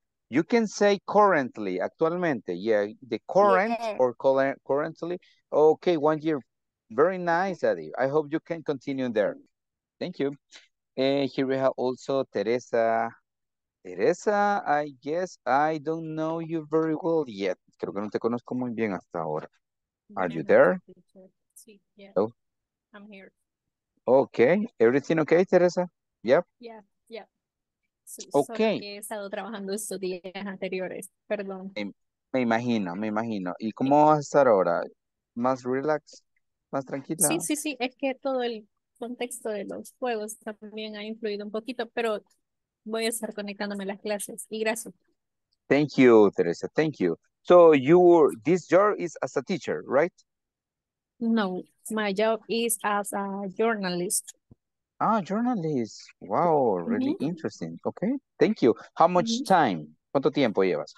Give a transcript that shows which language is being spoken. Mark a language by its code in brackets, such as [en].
[en] You can say currently, actualmente, yeah, the current or currently. Okay, 1 year, very nice, Adi. I hope you can continue there. Thank you. Here we have also Teresa. Teresa, I guess I don't know you very well yet. [es] Creo que no te conozco muy bien hasta ahora. [en] Are you there? Sí, yeah. Oh. I'm here. Okay, everything okay, Teresa? Yep. Yeah. Okay. [es] He estado trabajando estos días anteriores. Perdón. Me imagino. ¿Y cómo vas a estar ahora? ¿Más relax? ¿Más tranquila? Sí. Es que todo el contexto de los juegos también ha influido un poquito, pero voy a estar conectándome a las clases. Y gracias. [en] Thank you, Teresa. Thank you. So, this job is as a teacher, right? No. My job is as a journalist. Ah, journalist. Wow, really interesting. Okay, thank you. How much time? [es] ¿Cuánto tiempo llevas?